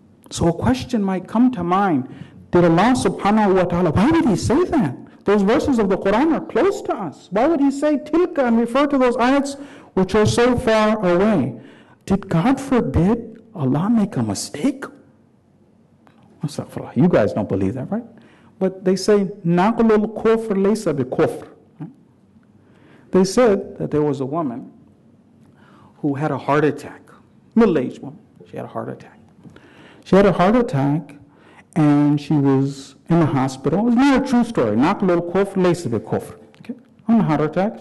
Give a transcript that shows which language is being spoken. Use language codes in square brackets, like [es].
[en] So a question might come to mind, did Allah subhanahu wa ta'ala, why did he say that? Those verses of the Quran are close to us. Why would he say tilka and refer to those ayats which are so far away? Did God forbid Allah make a mistake? You guys don't believe that, right? But they say, [ar] نَقْلُ الْكُفْرِ لَيْسَ بِكُفْرِ. [en] They said that there was a woman who had a heart attack. Middle-aged woman. She had a heart attack. She had a heart attack. And she was in the hospital. It's not a true story. [ar] نَقْلُ الْكُفْرِ لَيْسَ بِكُفْرِ. [en] Okay. On a heart attack.